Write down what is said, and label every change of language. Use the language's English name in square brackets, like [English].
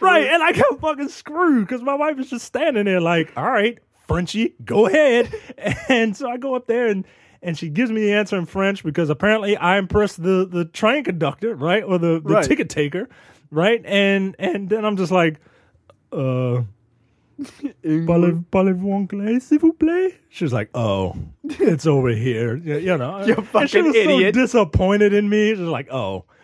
[English] Right, and I got fucking screwed because my wife is just standing there like, all right, Frenchie, go ahead. And so I go up there and she gives me the answer in French because apparently I impressed the train conductor, right? Or the right. Ticket taker, right? And then I'm just like, [French] Parlez-vous anglais, s'il vous plaît? [English] She was like, oh, it's over here. You know, you fucking idiot. She was so disappointed in me. She was like, oh,